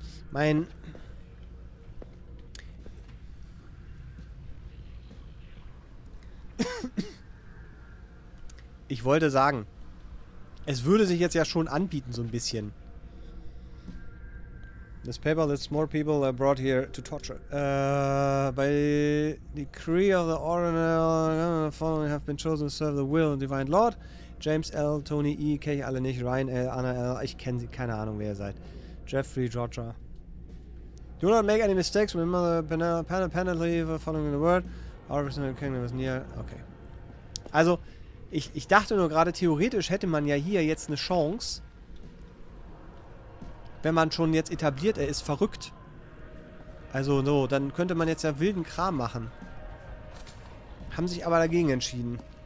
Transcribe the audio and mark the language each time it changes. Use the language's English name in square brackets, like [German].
[German] Mein... Ich wollte sagen, es würde sich jetzt ja schon anbieten, so ein bisschen. [English] This paper lists more people are brought here to torture. By the decree of the Ordinal, following have been chosen to serve the will of the Divine Lord. [German] James L., Tony E., kenne ich alle nicht. Ryan L., Anna L., ich kenne sie, keine Ahnung, wer ihr seid. Jeffrey, Georgia. [English] Do not make any mistakes, remember the penalty for following the word. Arbison and Kingdom is near. Okay. [German] Also, ich dachte nur, gerade theoretisch hätte man ja hier jetzt eine Chance, wenn man schon jetzt etabliert, er ist verrückt. Also so, dann könnte man jetzt ja wilden Kram machen. Haben sich aber dagegen entschieden.